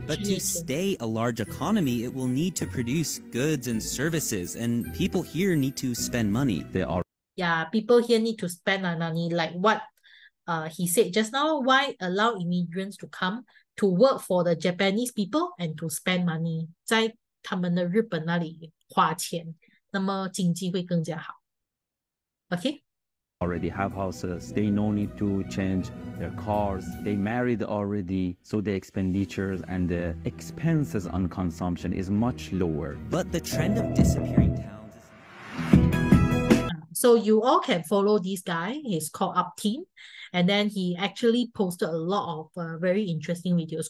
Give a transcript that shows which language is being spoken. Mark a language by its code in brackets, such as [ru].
[en] But to stay a large economy, it will need to produce goods and services, and people here need to spend money. They are. Yeah, people here need to spend money. Like what he said just now, why allow immigrants to come to work for the Japanese people and to spend money? [zh] 在他们的日本那里花钱, 那么经济会更加好. [en] Okay? Already have houses, they no need to change their cars, they married already, so the expenditures and the expenses on consumption is much lower. But the trend of disappearing towns is... So you all can follow this guy, he's called Upteen, and then he actually posted a lot of very interesting videos.